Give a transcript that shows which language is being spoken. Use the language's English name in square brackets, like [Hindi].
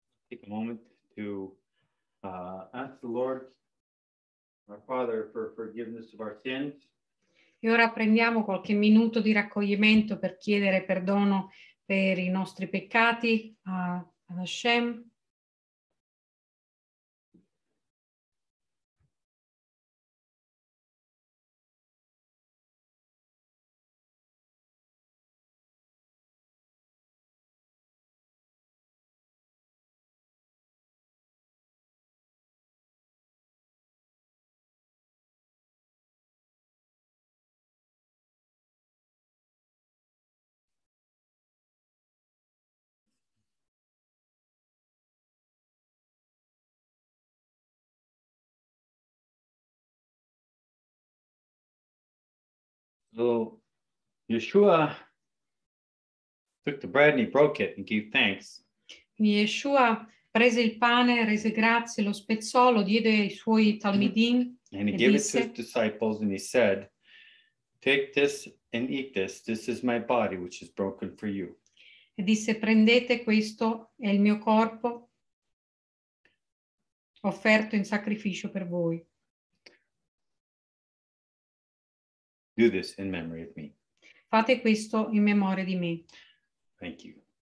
[English] Take a moment to ask the Lord, our Father, for forgiveness of our sins. [Italian] E ora prendiamo qualche minuto di raccoglimento per chiedere perdono per i nostri peccati ad Hashem. [English] So Yeshua took the bread and he broke it and gave thanks. [Italian] Yeshua prese il pane, rese grazie, lo spezzò, lo diede ai suoi talmidim. [English] And he gave it to his disciples and he said, take this and eat this. This is my body which is broken for you. [Italian] E disse, prendete questo, è il mio corpo offerto in sacrificio per voi. [English] Do this in memory of me. [Italian] Fate questo in memoria di me. [English] Thank you.